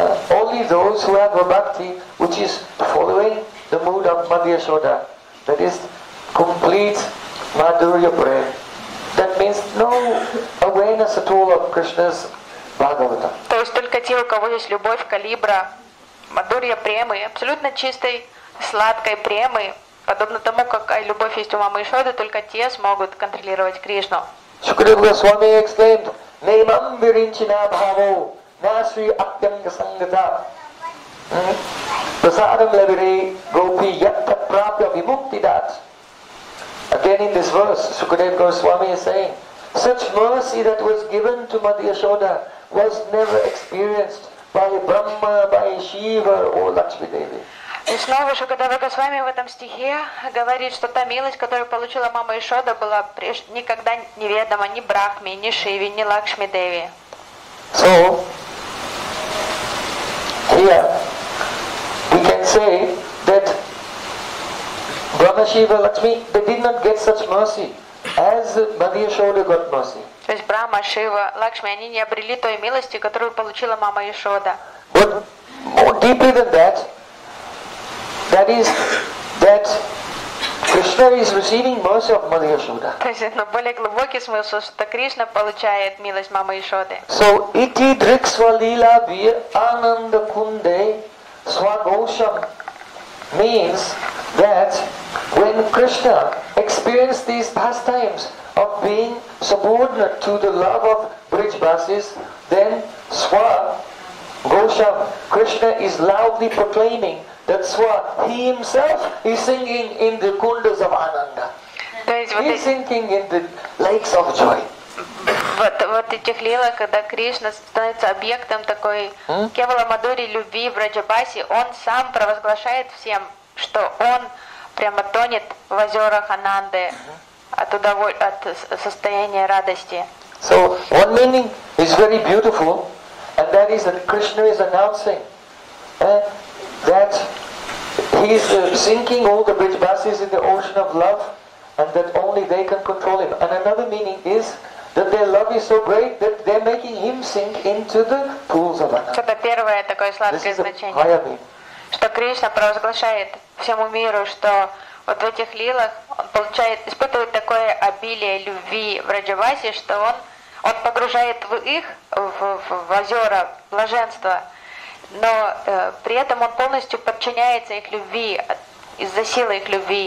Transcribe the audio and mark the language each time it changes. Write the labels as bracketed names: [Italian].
[English] Only those who have a bhakti which is following the mood of Madhya Shoda, that is complete Madhurya Prem, that means no awareness at all of Krishna's Bhagavata. [Russian] То есть только те, у кого есть любовь калибра, Мадурья Премы, абсолютно чистой, сладкой премы, подобно тому, какая любовь есть у мамы Ишоды, только те смогут контролировать Кришну. [English] Shukadeva Goswami exclaimed, [Sanskrit] Neimam Virinchina Bhavo. Nasri Akyanga Sangata. Prasadam Lavire Gopi Yatta Prapya Vimuktidat. [English] Again in this verse, Sukadeva Goswami is saying, such mercy that was given to Madhya Shoda was never experienced by Brahma, by Shiva or Lakshmi Devi. [Russian] И снова Шукадева Госвами в этом стихе говорит, что та милость, которую получила мама Ишода, была никогда неведома ни Брахме, ни Шиве, ни Лакшми Деви. [English] So, here we can say that Brahma, Shiva, Lakshmi, they did not get such mercy As Maria Shoda got mercy. [Russian] То есть Брама, Шива, Лакшми, они не обрели той милости, которую получила мама Яшода. [English] But more deeply than that, that is that Krishna is receiving mercy of Mother Yashoda. [Russian] То есть, но более глубокий смысл, что Кришна получает милость мамы Яшоды. [English] So [Sanskrit] iti driksva lila vir ananda kunde swagosham [English] means that when Krishna experienced these pastimes of being subordinate to the love of Brijbasis, then Swa Gosham, Krishna is loudly proclaiming that Swa, he himself is singing in the kundas of Ananda. He is singing in the lakes of joy. [Russian] Вот этих лилах, когда Кришна становится объектом такой кевала мадури любви в Раджабасе, он сам провозглашает всем, что он прямо тонет в озерах Ананды от состояния радости. [English] So one meaning is very beautiful, and that is that Krishna is announcing that he is sinking all the Brijbasis in the ocean of love, and that only they can control him. And another meaning is that their love is so great that they're making him sink into the pools of Ananda. [Russian] Это первое такое сладкое значение. Что Кришна провозглашает всему миру, что вот в этих лилах он получает, испытывает такое обилие любви в Раджавасе, что он погружает в их в озера блаженства, но при этом он полностью подчиняется их любви, из-за силы их любви.